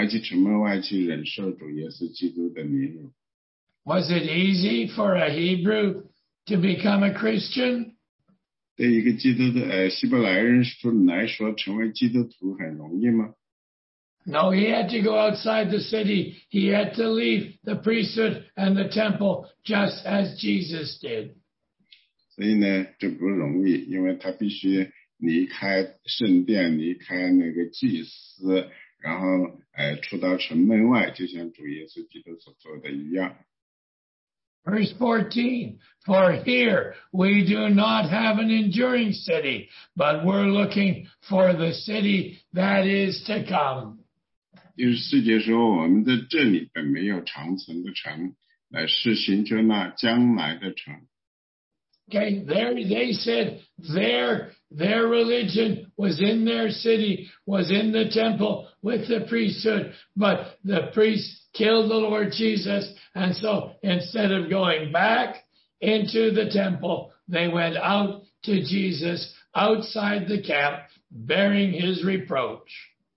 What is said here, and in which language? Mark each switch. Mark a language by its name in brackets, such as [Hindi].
[Chinese] 所以呢，实际上呢，他就说呢，就像主耶稣基督在城门外受苦，所以我也要到城门外去，我要去城门外去忍受主耶稣基督的凌辱。 [English] Was it easy for a Hebrew to become a Christian? [Chinese] 对一个基督的希伯来人来说，成为基督徒很容易吗？ [English] No, he had to go outside the city. He had to leave the priesthood and the temple just as Jesus did. [Chinese] 所以呢，这不容易，因为他必须离开圣殿，离开那个祭司，然后出到城门外，就像主耶稣基督所做的一样。 [English] Verse 14, for here we do not have an enduring city, but we're looking for the city that is to come. [Chinese] 第四节说，我们在这里本没有长存的城，乃是寻求那将来的城。 [English] Okay, they said their religion was in their city, was in the temple with the priesthood, but the priests killed the Lord Jesus, and so instead of going back into the temple, they went out to Jesus outside the camp, bearing his reproach.